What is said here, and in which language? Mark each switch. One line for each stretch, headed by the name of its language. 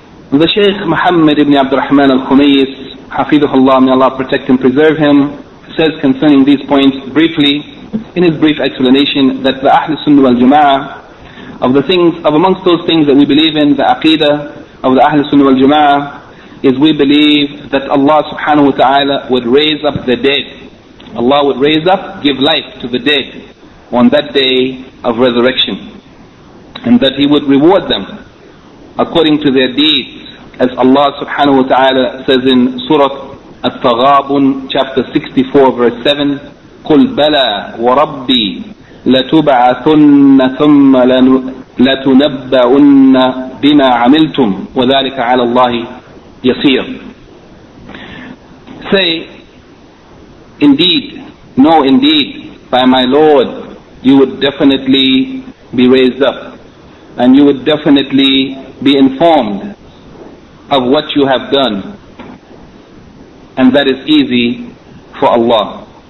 English: The Shaykh Muhammad ibn Abd al-Rahman al-Khumayis, Hafidhullah, may Allah protect and preserve him, says concerning these points briefly, in his brief explanation, that the Ahl Sunnah wal Jama'ah, amongst those things that we believe in, the Aqeedah of the Ahl Sunnah wal Jama'ah, is we believe that Allah subhanahu wa ta'ala would raise up the dead. Allah would raise up, give life to the dead on that day of resurrection. And that He would reward them according to their deeds. As Allah subhanahu wa ta'ala says in Surah At-Taghabun, chapter 64, verse 7,
Arabic: قُلْ بَلَى وَرَبِّي لَتُبْعَثُنَّ ثُمَّ لَتُنَبَّأُنَّ بِمَا عَمِلْتُمْ وَذَلِكَ عَلَى اللَّهِ يَصِيرٌ.
English: Say, indeed, by my Lord, you would definitely be raised up, and you would definitely be informed of what you have done, and that is easy for Allah.